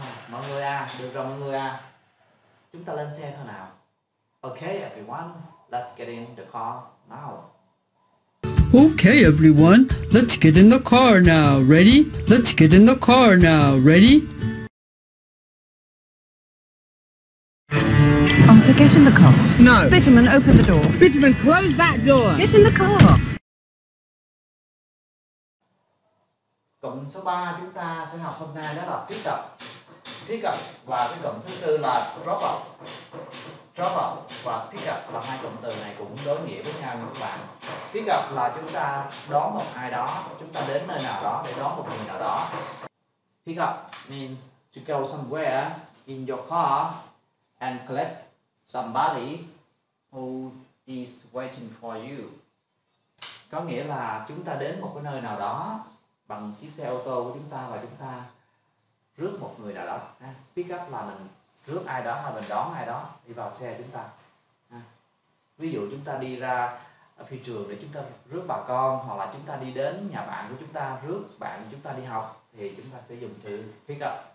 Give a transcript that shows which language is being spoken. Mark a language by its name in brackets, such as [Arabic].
[Vietnamese] Mọi người được rồi mọi người chúng ta lên xe thôi nào. [English] Okay everyone, let's get in the car now. Okay everyone, let's get in the car now. Ready? Let's get in the car now. Ready? Arthur, get in the car. No. Bitterman, open the door. Bitterman, close that door. Get in the car. [Vietnamese] Cụm số 3 chúng ta sẽ học hôm nay đó là pick up. Pick up và cái cụm thứ tư là drop off. Drop off và pick up là hai cụm từ này cũng đối nghĩa với nhau nha các bạn. Pick up là chúng ta đón một ai đó, chúng ta đến nơi nào đó để đón một người nào đó. [English] Pick up means to go somewhere in your car and collect somebody who is waiting for you. [Vietnamese] Có nghĩa là chúng ta đến một cái nơi nào đó bằng chiếc xe ô tô của chúng ta và chúng ta rước một người nào đó. Pick up là mình rước ai đó hay mình đón ai đó đi vào xe chúng ta. Ví dụ chúng ta đi ra phi trường để chúng ta rước bà con, hoặc là chúng ta đi đến nhà bạn của chúng ta rước bạn của chúng ta đi học, thì chúng ta sẽ dùng từ pick up.